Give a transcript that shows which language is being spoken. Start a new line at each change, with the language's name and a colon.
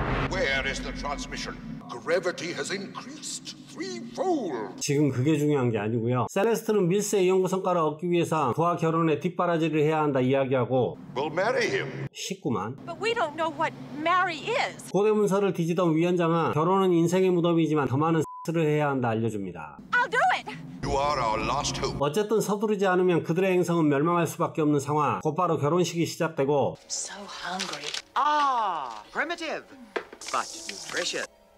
English: Where is the transmission? Gravity has increased threefold.
Korean: 지금 그게 중요한 게 아니고요. 셀레스트는 밀스의 연구 성과를 얻기 위해서 부하 결혼에 뒷바라지를 해야 한다 이야기하고
English: We'll marry him.
Korean: 쉽구만.
English: But we don't know what marry is.
Korean: 고대 문서를 뒤지던 위원장은 결혼은 인생의 무덤이지만 더 많은 X를 해야 한다 알려줍니다.
English: I'll do it. You are our last hope.
Korean: 어쨌든 서두르지 않으면 그들의 행성은 멸망할 수밖에 없는 상황. 곧바로 결혼식이 시작되고
English: So hungry. Ah, primitive. But nutritious. Mm.